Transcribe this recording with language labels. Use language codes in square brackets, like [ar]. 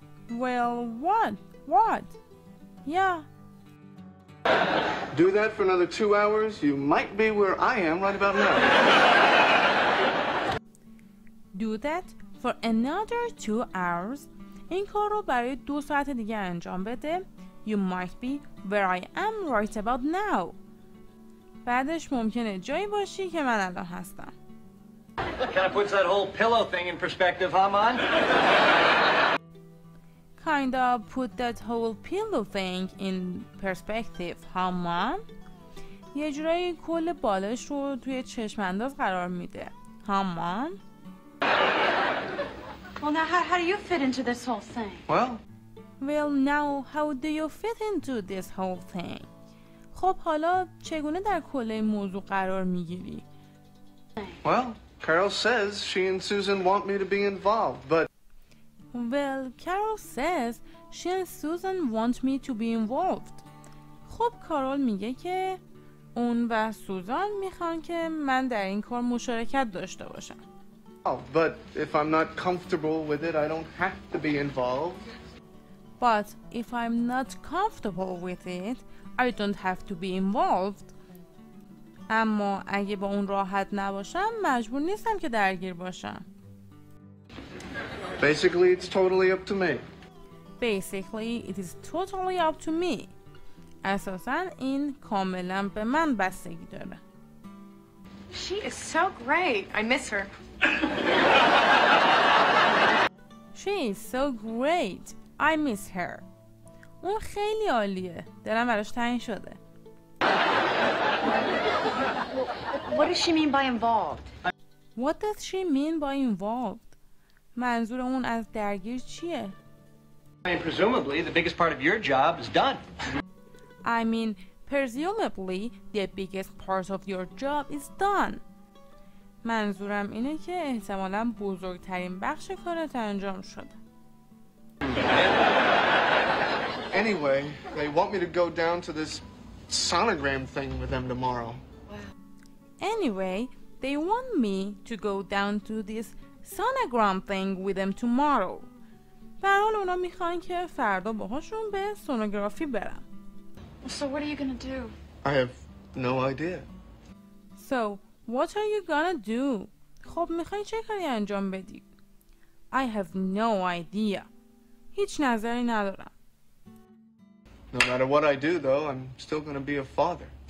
[en] Well, what? Yeah. Do that for another 2 hours, you might be where I am right about now. Do that for another 2 hours. [fa] این کار رو برای 2 ساعت دیگه انجام بده. [en] You might be where I am right about now. [fa] بعدش ممکنه جایی باشی که من الان هستم. [en] Kind of puts that whole pillow thing in perspective, huh, man? Kind of put that whole pillow thing in perspective, huh, man? [fa] یه جورایی کل بالش رو توی چشم انداز قرار میده. [en] Huh, man? Well, now, how do you fit into this whole thing? Well, now, how do you fit into this whole thing? [fa] خب حالا چگونه در کل این موضوع قرار میگیری؟ [en] Well, Carol says she and Susan want me to be involved, but... Well, Carol says she and Susan want me to be involved. [fa] خب کارول میگه که اون و سوزان میخوان که من در این کار مشارکت داشته باشم. [en] Oh, but if I'm not comfortable with it, I don't have to be involved. But if I'm not comfortable with it, I don't have to be involved. [fa] اما اگه با اون راحت نباشم مجبور نیستم که درگیر باشم. [en] Basically it's totally up to me. Basically it is totally up to me. [fa] اساساً این کاملا به من بستگی داره. [en] She is so great. I miss her. She is so great. I miss her. [fa] اون خیلی عالیه. دلم براش تنگ شده. [en] What does she mean by involved? What does she mean by involved? [fa] منظور اون از درگیر چیه؟ [en] I mean, presumably the biggest part of your job is done. I mean, presumably the biggest part of your job is done. [fa] منظورم اینه که احتمالاً بزرگترین بخش کارت انجام شده. [en] Anyway, they want me to go down to this sonogram thing with them tomorrow. Anyway, they want me to go down to this sonogram thing with them tomorrow. [fa] برحال اونا میخوان که فردا باهاشون به سونوگرافی برم. [en] So what are you gonna do? I have no idea. So what are you gonna do? [fa] خب میخوای چه کاری انجام بدی؟ [en] I have no idea. [fa] هیچ نظری ندارم. [en] No matter what I do, though, I'm still going to be a father.